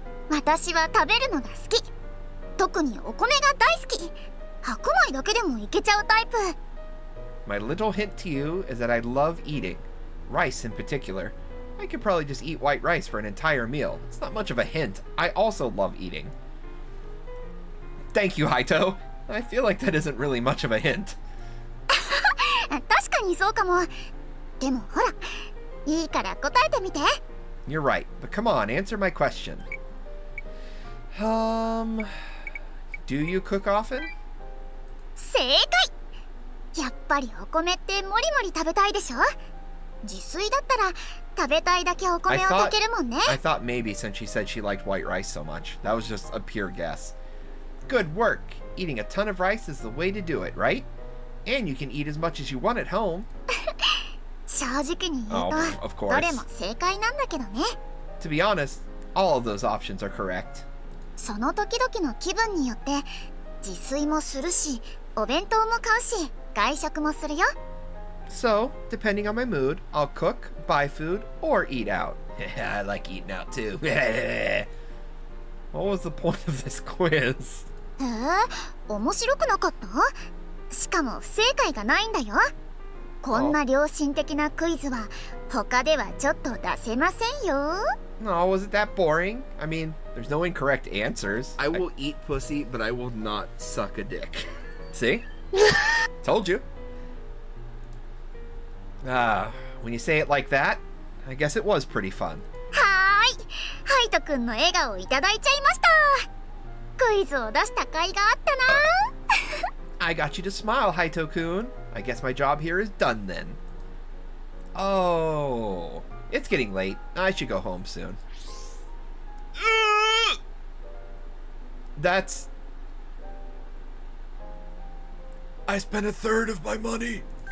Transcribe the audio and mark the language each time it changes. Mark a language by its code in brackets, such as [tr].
[en] My little hint to you is that I love eating. Rice in particular. I could probably just eat white rice for an entire meal. It's not much of a hint. I also love eating. Thank you, Haito. I feel like that isn't really much of a hint. [ja] 確かにそうかも。でもほら、いいから答えてみて。 [en] You're right, but come on, answer my question. Do you cook often? [ja] 正解。やっぱりお米ってもりもり食べたいでしょ。自炊だったら食べたいだけお米を炊けるもんね。 [en] I thought maybe since she said she liked white rice so much. That was just a pure guess. Good work. Eating a ton of rice is the way to do it, right? And you can eat as much as you want at home. [ja] 正直に言うと、 [en] of course. [ja] どれも正解なんだけどね。 [en] To be honest, all of those options are correct. [ja] その時々の気分によって自炊もするし、お弁当も買うし、外食もするよ。 [en] So, depending on my mood, I'll cook, buy food, or eat out. I like eating out too. What was the point of this quiz? [ja] 面白くなかった？しかも不正解がないんだよ。こんな良心的なクイズは他ではちょっと出せませんよ。 [en] No, was it that boring? I mean, there's no incorrect answers. I will eat pussy, but I will not suck a dick. See? Told you. When you say it like that, I guess it was pretty fun. [ja] はーい。ハイト君の笑顔をいただいちゃいました。クイズを出した甲斐があったな。 [en] I got you to smile, Haito-kun. I guess my job here is done then. Oh, it's getting late. I should go home soon. That's... I spent a third of my money.